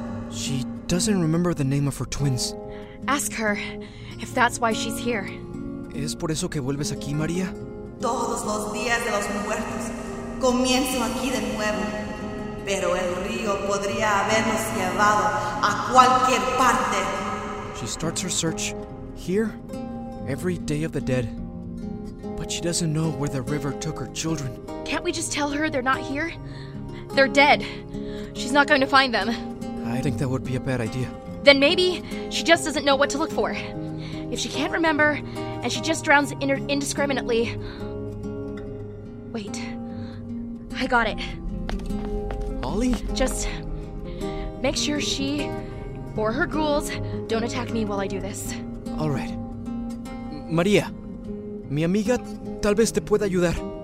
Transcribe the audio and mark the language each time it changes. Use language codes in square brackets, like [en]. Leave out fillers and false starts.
[en] She doesn't remember the name of her twins. Ask her if that's why she's here. [es] ¿Es por eso que vuelves aquí, María? Todos los días de los muertos comienzo aquí de nuevo. Pero el río podría habernos llevado a cualquier parte. [en] She starts her search here every day of the dead. But she doesn't know where the river took her children. Can't we just tell her they're not here? They're dead. She's not going to find them. I think that would be a bad idea. Then maybe she just doesn't know what to look for. If she can't remember, and she just drowns indiscriminately... Wait. I got it. Holly? Just make sure she or her ghouls don't attack me while I do this. All right. [es] Maria, mi amiga tal vez te pueda ayudar.